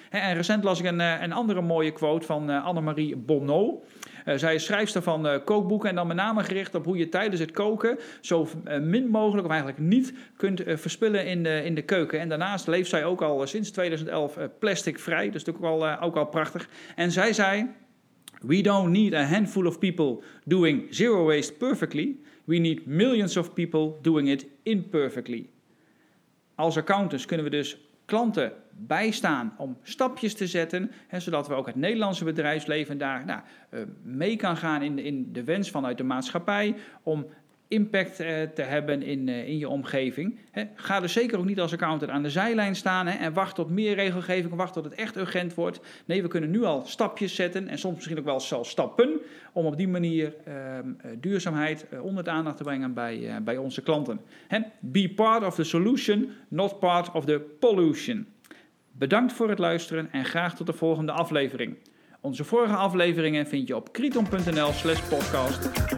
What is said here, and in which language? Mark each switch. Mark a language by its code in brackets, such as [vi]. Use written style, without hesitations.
[nl] En recent las ik een andere mooie quote van Annemarie Bonneau. Zij is schrijfster van kookboeken en dan met name gericht op hoe je tijdens het koken zo min mogelijk of eigenlijk niet kunt verspillen in de keuken. En daarnaast leeft zij ook al sinds 2011 plastic vrij, dus natuurlijk ook al prachtig. En zij zei, [en] we don't need a handful of people doing zero waste perfectly, we need millions of people doing it imperfectly. [nl] Als accountants kunnen we dus klanten bijstaan om stapjes te zetten, hè, zodat we ook het Nederlandse bedrijfsleven daar mee kan gaan in de wens vanuit de maatschappij om impact te hebben in je omgeving. Hè. Ga er zeker ook niet als accountant aan de zijlijn staan, hè, en wacht tot meer regelgeving, wacht tot het echt urgent wordt. Nee, we kunnen nu al stapjes zetten en soms misschien ook wel zelfs stappen om op die manier duurzaamheid onder de aandacht te brengen bij onze klanten. Hè. [en] Be part of the solution, not part of the pollution. [nl] Bedankt voor het luisteren en graag tot de volgende aflevering. Onze vorige afleveringen vind je op kriton.nl/podcast.